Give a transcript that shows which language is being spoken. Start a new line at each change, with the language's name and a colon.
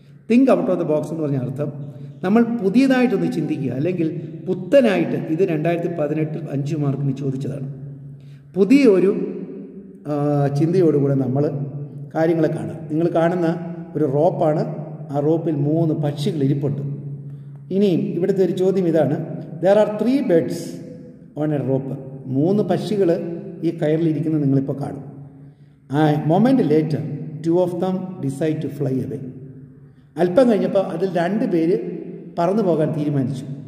English: think out of the box
Malayalam: എന്ന് പറഞ്ഞ അർത്ഥം നമ്മൾ പുതിയതായിട്ടൊന്ന് ചിന്തിക്കുക, അല്ലെങ്കിൽ പുത്തനായിട്ട്. ഇത് 2018 5 മാർക്കിന് ചോദിച്ചതാണ്. പുതിയൊരു ചിന്തയോടുകൂടെ നമ്മൾ കാര്യങ്ങളെ കാണുക. നിങ്ങൾ കാണുന്ന ഒരു റോപ്പാണ്. ആ റോപ്പിൽ 3 പക്ഷികൾ ഇരിപ്പുണ്ട്. ഇനിയും ഇവിടുത്തെ ഒരു ചോദ്യം ഇതാണ്,
English: There are 3 birds on a rope.
Malayalam: 3 പക്ഷികൾ ഈ കയറിലിരിക്കുന്നത് നിങ്ങളിപ്പോൾ കാണും.
English: A moment later 2 of them decide to fly away.
Malayalam: അല്പം കഴിഞ്ഞപ്പോൾ അതിൽ 2 പേര് പറന്നു പോകാൻ തീരുമാനിച്ചു.